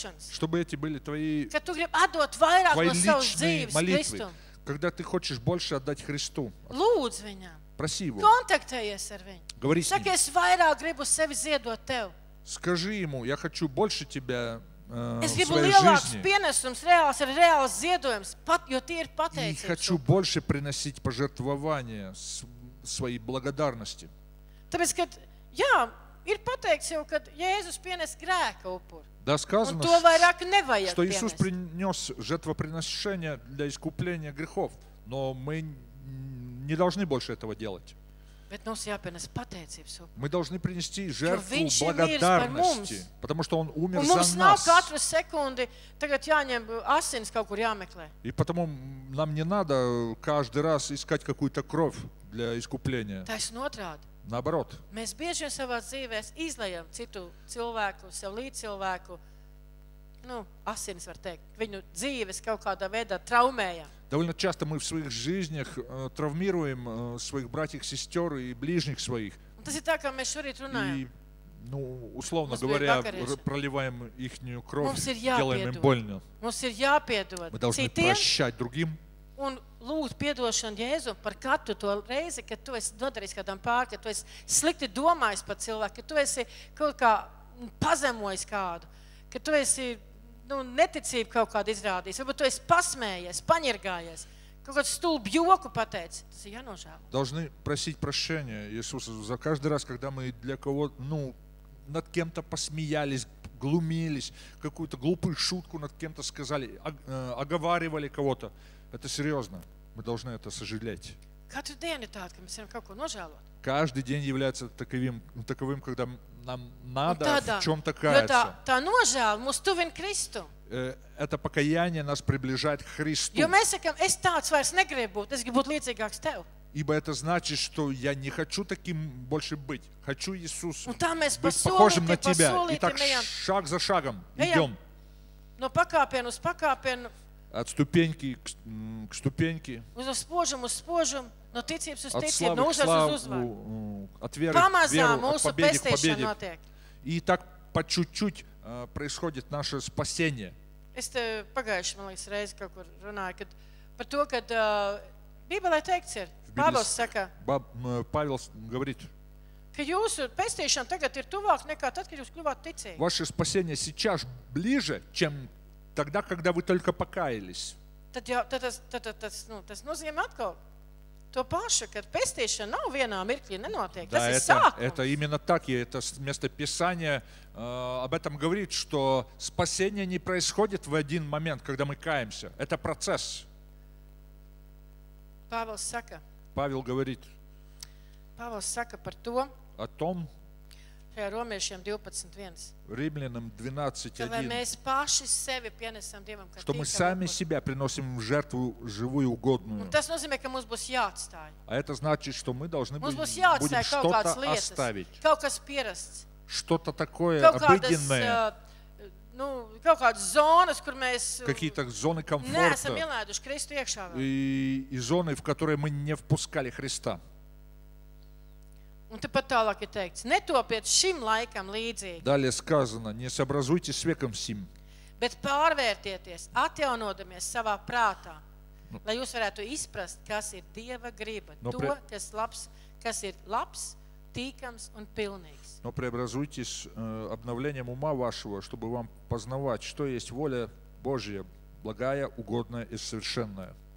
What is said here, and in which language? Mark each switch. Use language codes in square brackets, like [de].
[ru] Чтобы эти были твои личные молитвы. Когда ты хочешь больше отдать Христу. Проси его. Говори с ним. Скажи ему, я хочу больше тебя [lv] Es gribu lielāks pienesums, reāls, reāls ziedojums, pat, jo tie ir pateicības. [ru] И хочу больше приносить пожертвования своей благодарности. [lv] Tāpēc, kad, jā, ir pateikts jau, kad Jēzus pienes grēka upuri. [ru] Да сказано, [lv] un to vairāk nevajag [ru] что Иисус принес жертвоприношение для искупления грехов, но мы не должны больше этого делать. [lv] Bet mums jāpienas pateicības upuri. [ru] Мы должны принести жертву благодарности, потому что он умер [lv] un [ru] за нас. [lv] Mums nav katru sekundi tagad jāņem asins kaut kur jāmeklē. [ru] И потому нам не надо каждый раз искать какую-то кровь для искупления. [lv] Taisn otrād. [ru] Наоборот. [lv] Mēs bieži vien savā dzīvēs izlējam citu cilvēku, sev līdzcilvēku, nu, asins var teikt, viņu dzīves kaut kādā veidā traumējam. [ru] Довольно часто мы в своих жизнях травмируем своих братьев, сестер и ближних своих. И, ну, условно говоря, проливаем их кровь, делаем им больно. Мы должны прощать другим. [lv] Un lūgt piedošanu Jēzum par katru to reizi, kad tu esi nodarījis kādam pār, kad tu esi slikti domājis par cilvēku, kad tu esi kaut kā pazemojis kādu, kad tu esi... Nu, neticību kaut kādu izrādīs. Varbūt tu esi pasmējies, paņirgājies. Kaut kādu stulbu joku pateic. Tas ir jānožēlo. [ru] Должны просить прощения, Иисус, за каждый раз, когда мы для кого, ну, над кем-то посмеялись, глумились, какую-то глупую шутку над кем-то сказали, оговаривали кого-то. Это серьезно. Мы должны это сожалеть. [lv] Katru dienu ir tāda, ka mēs varam kaut ko nožēlot. [ru] Каждый день является таковым, когда нам надо в чем-то каяться. [lv] Tā nožēla mūs tuvin Kristu. [ru] Это покаяние нас приближает к Христу. [lv] Jo mēs sakam, es tāds vairs negribu būt, es gribu būt līdzīgāks Tev. [ru] Ибо это значит, что я не хочу таким больше быть. Хочу Иисусу. [lv] Un tā mēs [ru] быть похожим на Тебя. И так шаг за шагом идем. [lv] No pakāpienu uz pakāpienu. [ru] От ступеньки к ступеньке. [lv] Uz spožumu, uz spožumu, no ticības uz ticību, no uzvaras uz uzvaru. [ru] От веры к веру, от победы к победе. [lv] Pamazām mūsu pestīšana notiek. [ru] И так по чуть-чуть происходит наше спасение. [lv] Es te pagājuši, man liekas, reizi kaut kur runāju, kad par to, kad Bībelē teikts ir, Pāvils saka, [ru] Pāvils говорит, [lv] ka jūsu pestīšana tagad ir tuvāk nekā tad, kad jūs kļuvāt ticīgi. [ru] Ваше спасение сейчас ближе, чем тогда, когда вы только покаялись. [lv] Tad jau, tas nozīmē atkal to pašu, kad pestīšana nav vienā mirklī, nenotiek. [ru] Да, [lv] tas ir sākums. [ru] Это именно так, и это место писания об этом говорит, что спасение не происходит в один момент, когда мы каемся. Это процесс. [lv] Pāvils saka. [ru] Pāvils говорит. [lv] Pāvils saka par to. [ru] О том. [lv] Šajā romiešiem 12.1. Rimlienam 12.1. Ka mēs paši sevi pienesam Dievam, ka [ru] tīkam. Мы сами себя приносим в жертву живую угодную. [lv] Un tas nozīmē, ka mums būs jāatstāj. [ru] А это значит, что мы должны [lv] mums būs jāatstāj kaut kāds lietas, оставить. Kaut kas pierasts. [ru] Что-то такое обыденное. [lv] Ну, kaut kādas zonas, kur mēs [ru] какие-то зоны комфорта. [lv] Neesam ielēduši Kristu iekšā. [ru] И зоны, в которые мы не впускали Христа. [lv] Un te pat tālāk ir teikts, netopiet šim laikam līdzīgi. [ru] Далее сказано, не сообразуйтесь с веком сим. [lv] Bet pārvērtieties, atjaunodamies savā prātā, no. Lai jūs varētu izprast, kas ir Dieva griba, no to, kas ir labs, tīkams un pilnīgs. [ru] Но преобразуйтесь обновлением ума вашего, чтобы вам познавать, что есть воля Божия, благая, угодная и совершенная.